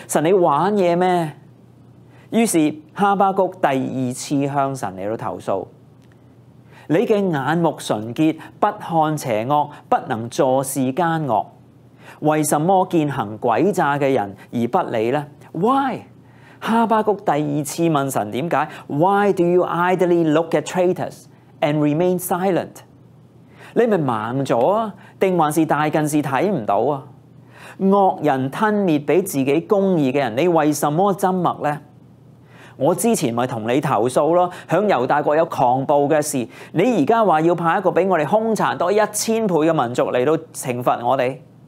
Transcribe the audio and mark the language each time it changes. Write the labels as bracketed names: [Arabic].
[Cantonese] 神，你玩嘢咩？于是哈巴谷第二次向神来投诉，你的眼目纯洁，不看邪恶，不能坐视奸恶，为什么见行诡诈的人而不理呢？ [English] Why？ [Cantonese] 哈巴谷第二次问神，为什么？ [English] Why do you idly look at traitors and remain silent？ [Cantonese] 你是盲了，还是大近视看不到？恶人吞灭给自己公义的人，你为什么沉默呢？我之前不是跟你投诉，在犹大国有狂暴的事，你现在说要派一个比我们凶残多1000倍的民族来到惩罚我们。